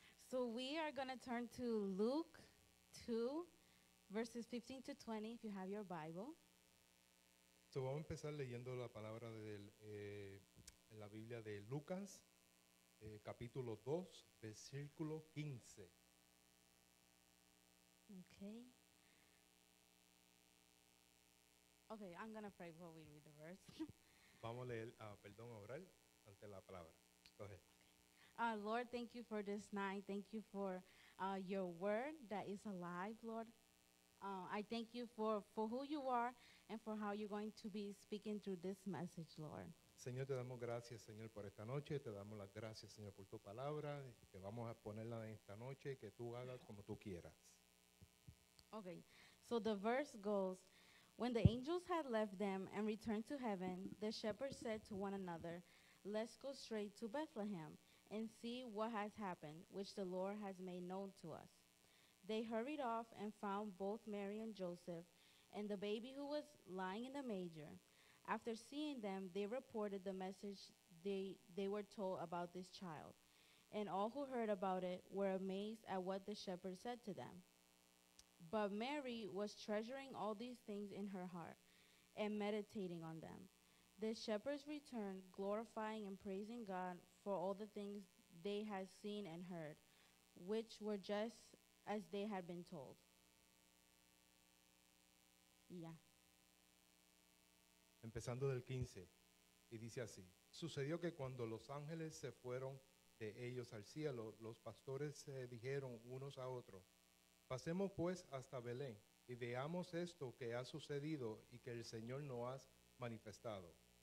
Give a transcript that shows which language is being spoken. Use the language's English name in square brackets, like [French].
[English] So we are going to turn to Luke 2, verses 15 to 20, if you have your Bible. [Spanish] So vamos a empezar leyendo la palabra del, en la Biblia de Lucas, capítulo 2, versículo 15. [English] Okay, I'm going to pray while we read the verse. [Spanish] Vamos a leer, perdón, a orar ante la palabra. [English] Go ahead. Lord, thank you for this night. Thank you for your word that is alive, Lord. I thank you for who you are and for how you're going to be speaking through this message, Lord. [Spanish] Señor, te damos gracias, Señor, por esta noche. Te damos las gracias, Señor, por tu palabra. Que vamos a ponerla en esta noche y que tú hagas como tú quieras. [English] Okay, so the verse goes, when the angels had left them and returned to heaven, the shepherds said to one another, let's go straight to Bethlehem and see what has happened, which the Lord has made known to us. They hurried off and found both Mary and Joseph and the baby who was lying in the manger. After seeing them, they reported the message they were told about this child. And all who heard about it were amazed at what the shepherds said to them. But Mary was treasuring all these things in her heart and meditating on them. The shepherds returned, glorifying and praising God for all the things they had seen and heard, which were just as they had been told. Yeah. [Spanish] Empezando del 15, y dice así: sucedió que cuando los ángeles se fueron de ellos al cielo, los pastores se dijeron unos a otros: pasemos pues hasta Belén y veamos esto que ha sucedido y que el Señor nos ha manifestado.